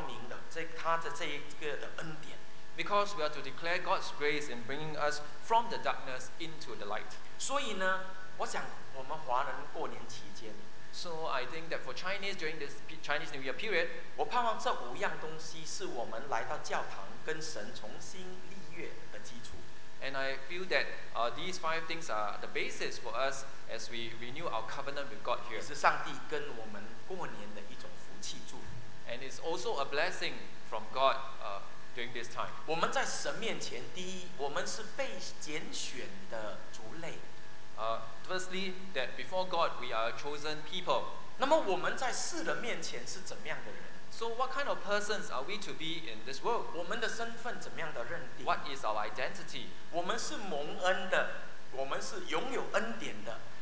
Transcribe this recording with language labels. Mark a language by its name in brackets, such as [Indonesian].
[Chinese] 只因为我们要宣扬耶稣基督这一个帮我们出黑暗进入奇妙光明的这他的这一个的恩典。 [English] Because we are to declare God's grace in bringing us from the darkness into the light. [Chinese] 所以呢，我想我们华人过年期间。 [English] So I think that for Chinese during this Chinese New Year period, [Chinese] 我盼望这五样东西是我们来到教堂跟神重新立约的基础。 [English] And I feel that these five things are the basis for us as we renew our covenant with God here. [Chinese] 也是上帝跟我们过年的一种福气祝福。 [English] And it's also a blessing from God during this time. [Chinese] 我们在神面前，第一，我们是被拣选的族类。 [English] Firstly, that before God, we are a chosen people. [Chinese] 那么我们在世人面前是怎么样的人？ [English] So what kind of persons are we to be in this world? [Chinese] 我们的身份怎么样的认定？ [English] What is our identity? [Chinese] 我们是蒙恩的，我们是拥有恩典的。